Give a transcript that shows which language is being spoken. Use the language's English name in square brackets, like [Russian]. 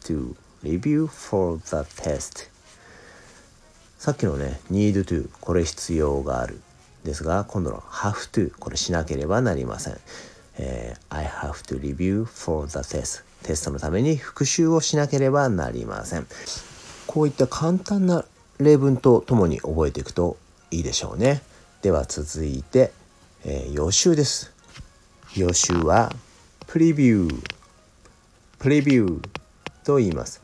[English] I have to review for the test. [Japanese] さっきのね、need to、これ必要がある。ですが、今度の have to、これしなければなりません。 [English] I have to review for the test。 [Japanese] テストのために復習をしなければなりません。こういった簡単な例文とともに覚えていくといいでしょうね。では続いて、予習です。予習はプリビューと言います。